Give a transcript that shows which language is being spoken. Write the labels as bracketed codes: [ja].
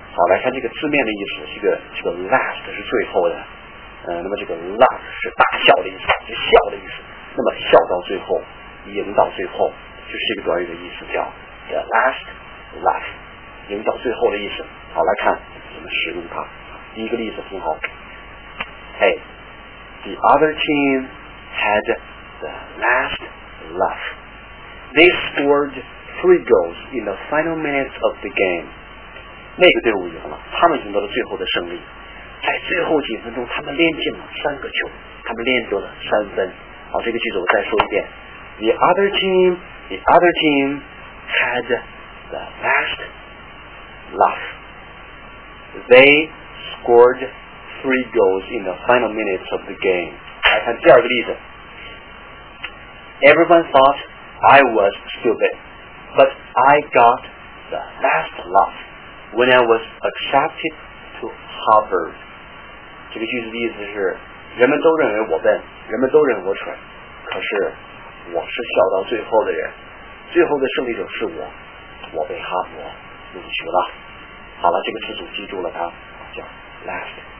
[zh] 好，来看这个字面的意思，这个 last 是最后的，那么这个 laugh 是大笑的意思，是笑的意思，那么笑到最后，赢到最后，就是这个短语的意思，叫 [en] the last laugh， [zh] 赢到最后的意思。好，来看怎么使用它。第一个例子很好。 [en] Hey, the other team had the last laugh. They scored 3 goals in the final minutes of the game. [zh] 那个队伍赢了，他们赢得了最后的胜利。在最后几分钟，他们连进了三个球，他们连得了三分。好，这个句子我再说一遍。 [en] The other team had the last laugh. They scored. 3 goals in the final minutes of the game. [zh] 来看第二个例子。 [en] Everyone thought I was stupid, but I got the last laugh when I was accepted to Harvard. [zh] 这个句子的意思是，人们都认为我笨，人们都认为我蠢，可是我是笑到最后的人，最后的胜利者是我，我被哈佛录取了。好了，这个词组记住了，它叫 last。